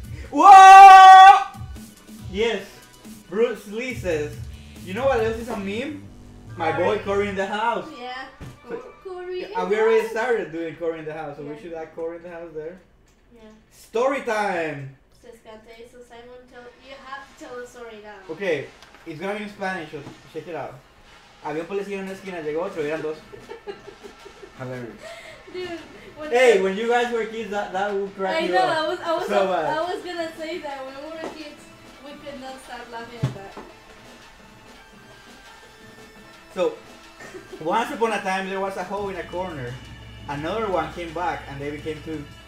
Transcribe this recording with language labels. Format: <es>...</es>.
<en>Whoa! Yes, Bruce Lee says, you know what else is a meme? My boy Corey in the house. Yeah, Corey. And we already started doing Corey in the house, so we should add Corey in the house there. Yeah. Story time! So Simon, you have to tell the story now. Okay, it's gonna be in Spanish, so check it out.</en> <es>Había un policía en la esquina, llegó otro, eran dos.</es> <en>Dude, when you guys were kids, that would crack you up. I know, I was gonna say that. When we were kids, we could not stop laughing at that. So, once upon a time, there was a hole in a corner. Another one came back, and they became two.</en>